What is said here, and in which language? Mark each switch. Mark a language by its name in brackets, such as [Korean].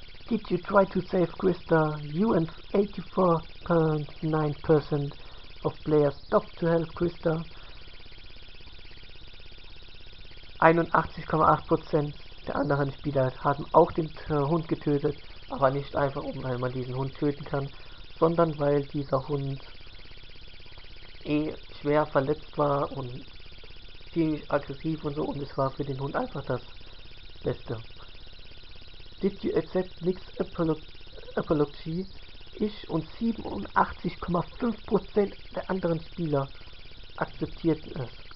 [English] Did you try to save Krista? You and 84.9% of players stopped to help Krista. [German] 81.8% der anderen Spieler haben auch den Hund getötet, aber nicht einfach, weil man diesen Hund töten kann, sondern weil dieser Hund schwer verletzt war und ziemlich aggressiv und so, und es war für den Hund einfach das Beste. [English] Did you accept Nick's apology? [German] Ich und 87.5% der anderen Spieler akzeptierten es.